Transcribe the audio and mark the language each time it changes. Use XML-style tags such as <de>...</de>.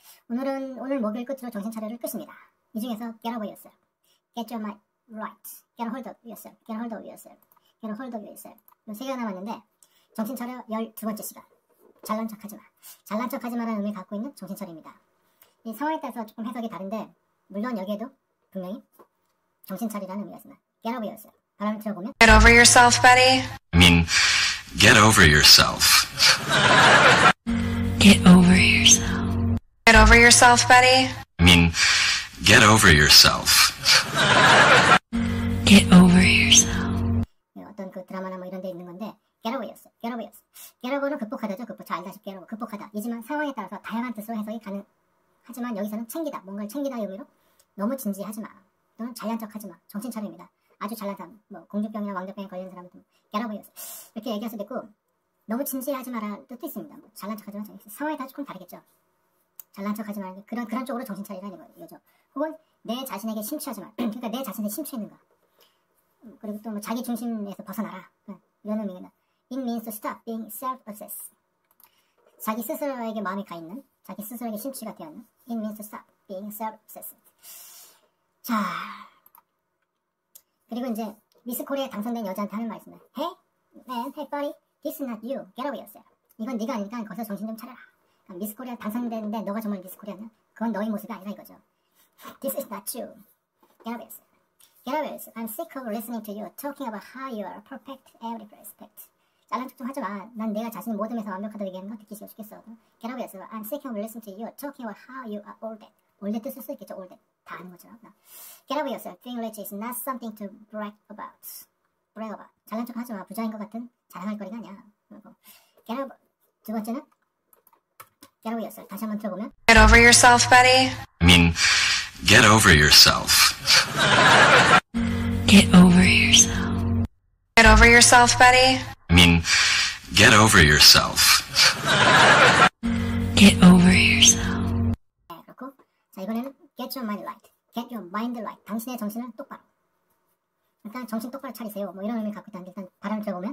<ko>오늘 목요일 끝으로 정신 차려를 끝입니다 이 중에서</ko> <en>get over yourself get your mind right get a hold of yourself</en> <ko>get a hold of yourself get a hold of yourself 요 세 개가 남았는데 정신 차려 12번째 시간 잘난 척하지 마 잘난 척하지마라는 의미를 갖고 있는 정신 차려입니다 이 상황에 따라서 조금 해석이 다른데 물론 여기에도 분명히 정신 차리라는 의미가 있습니다</ko> <en>get over yourself</en> <ko>바람을 틀어보면</ko> <en>get over yourself buddy I mean get over yourself get over yourself get over yourself buddy I mean get over yourself get over yourself</en> <ko>어떤 그 드라마나 뭐 이런 데 있는 건데</ko> <en>get over yourself get over yourself get over</en> <ko>는 극복하다죠 극복 잘 알다시피</ko> <en>get over</en> <ko>극복하다 이지만 상황에 따라서 다양한 뜻으로 해석이 가능하지만 여기서는 챙기다 뭔가를 챙기다 의미로 너무 진지하지 마 또는 잘난 척하지 마 정신 차려입니다 아주 잘난 사람 뭐 공주병이나 왕자병에 걸린 사람은</ko> <en>get over yourself</en> <ko>이렇게 얘기할 수도 있고 너무 진지하지 마라는 뜻도 있습니다 뭐 잘난 척하지 마 상황에 따라 조금 다르겠죠 잘난 척하지 마 그런 쪽으로 정신 차리라는 거죠 혹은 내 자신에게 심취하지 마 그러니까 내 자신에게 심취했는 거 그리고 또 뭐 자기 중심에서 벗어나라 이런 의미입니다</ko> <en>It means to stop being self-obsessed</en> <ko>자기 스스로에게 마음이 가 있는 자기 스스로에게 심취가 되었는 It means to stop being self-obsessed 자 그리고 이제 미스 코리아에 당선된 여자한테 하는 말 있습니다</ko> <en>Hey man, hey buddy, this is not you, get over yourself</en> <ko>이건 네가 아니니까 거기서 정신 좀 차려라 미스 코리아 당선됐는데 너가 정말 미스 코리아냐? 그건 너의 모습이 아니라 이거죠</ko> <en>This is not you, get over yourself Get over yourself, I'm sick of listening to you talking about how you are perfect every respect</en> <ko>잘난 척 좀 하지 마. 난 내가 자신을 모듬에서 완벽하다고 얘기하는 거 듣기 싫어 죽겠어.</ko> <en>Get over yourself. I'm sick of listening to you talking about how you are all that.</en> <ko>올댓도 쓸 수 있겠죠. 올댓. 다 아는 거죠.</ko> <en>Get over yourself. Being rich is not something to brag about. Brag about.</en> <ko>잘난 척 하지 마. 부자인 것 같은 자랑할 거리가 아니야.</ko> <en>Get over.</en> <ko>두 번째는 Get over yourself. 다시 한번 들어보면</ko> <en>Get over yourself, buddy. I mean, get over yourself. Get over yourself. Get over yourself, buddy. I mean, get over yourself. Get over yourself.</en> <ko>네, 그렇고 자 이번에는</ko> <en>get your mind right. Get your mind right.</en> <ko>당신의 정신을 똑바로. 일단 정신 똑바로 차리세요. 뭐 이런 의미 갖고 있다는 게 일단 발음을 들어보면.</ko>